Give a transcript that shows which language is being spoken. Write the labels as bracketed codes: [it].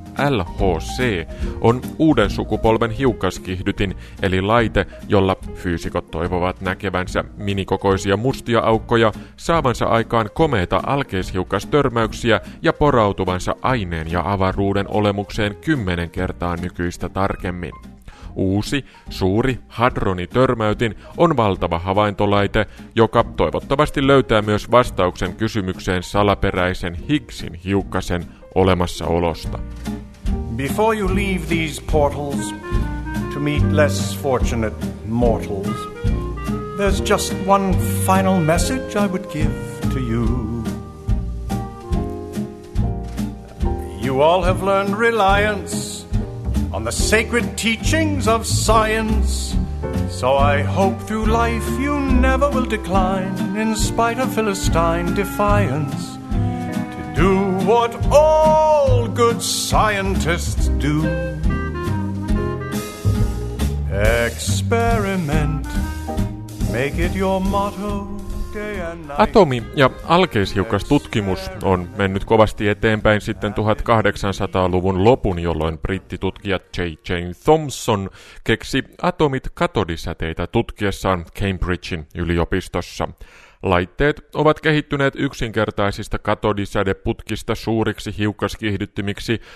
[fi] LHC on uuden sukupolven hiukkaskiihdytin, eli laite, jolla fyysikot toivovat näkevänsä minikokoisia mustia aukkoja, saavansa aikaan komeita alkeishiukkastörmäyksiä ja porautuvansa aineen ja avaruuden olemukseen 10 kertaa nykyistä tarkemmin. Uusi, suuri hadronitörmäytin on valtava havaintolaite, joka toivottavasti löytää myös vastauksen kysymykseen salaperäisen Higgsin hiukkasen olemassaolosta. [en] Before you leave these portals to meet less fortunate mortals, there's just one final message I would give to you. You all have learned reliance on the sacred teachings of science, so I hope through life you never will decline, in spite of Philistine defiance, to do what all good scientists do. Experiment, make it your motto, [fi] Atomi- ja alkeishiukkastutkimus on mennyt kovasti eteenpäin sitten 1800-luvun lopun, jolloin brittitutkija J.J. Thomson keksi atomit katodisäteitä tutkiessaan Cambridgein yliopistossa. Laitteet ovat kehittyneet yksinkertaisista katodisädeputkista suuriksi hiukkaskiihdyttimiksi.